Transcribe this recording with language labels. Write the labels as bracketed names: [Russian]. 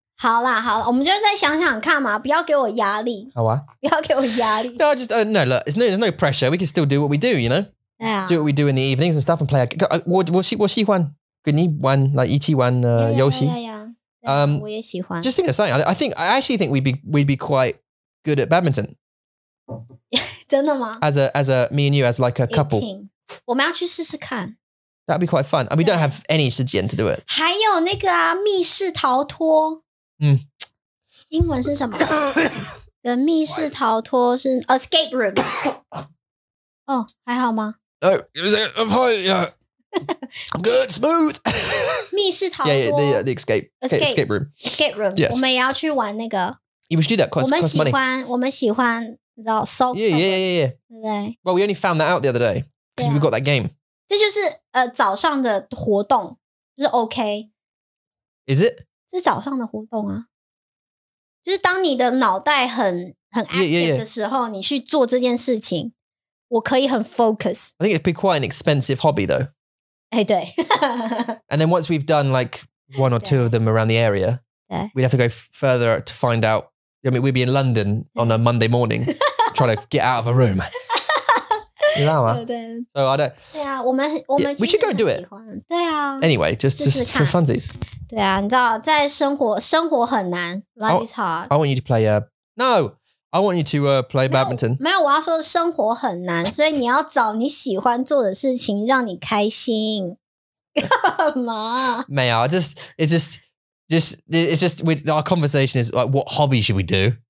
[Chinese] 好啦好啦我们就再想想看嘛不要给我压力。好啊。不要给我压力。 [English] No, just, no, look, there's no pressure. We can still do what we do, you know? Yeah. Do what we do in the evenings and stuff and play. [Chinese] 我喜欢跟你玩 like 一起玩 游戏。 [English] Yeah, yeah, yeah. [Chinese] 我也喜欢。 [English] Just think of something. I actually think we'd be quite good at badminton. [Chinese] 真的吗? [English] As a, me and you, as like a couple. [Chinese] 我们要去试试看。 [English] That'd be quite fun. And we don't have any 时间 to do it. [Chinese] 还有那个啊密室逃脱。嗯，英文是什么？的密室逃脱是 escape room。哦，还好吗？ [English] I'm fine. Yeah, I'm good. Smooth. [Chinese] 密室逃脱。 [English] Yeah, yeah, the escape room. Escape room. Yes. [Chinese] 我们也要去玩那个。 [English] You wish to do that? Cost money. [Chinese] 我们喜欢，你知道 soccer。 [English] Yeah. [Chinese] 对。 [English] Well, we only found that out the other day because we got that game. [Chinese] 这就是早上的活动，就是 OK. [English] Is it? [Chinese] 是早上的活动啊，就是当你的脑袋很 active [English] yeah, yeah, yeah. [Chinese] 的时候，你去做这件事情，我可以很 focus. [English] I think it'd be quite an expensive hobby, though. [Chinese] 哎，对。 [English] And then once we've done like one or two of them around the area, we'd have to go further to find out. I mean, we'd be in London on a Monday morning, trying to get out of a room. [Chinese] 你知道吗？对。 [English] So I don't. [Chinese] 对啊，我们 [English] we should go do it. [Chinese] 对啊。 [English] Anyway, just for funsies. [Chinese] 对啊，你知道，在生活很难 ， [English] life is hard. I want you to play play badminton. [Chinese] 没有，我要说生活很难，所以你要找你喜欢做的事情让你开心。干嘛？ [English] 没有 ，it's just with our conversation is like, what hobby should we do?、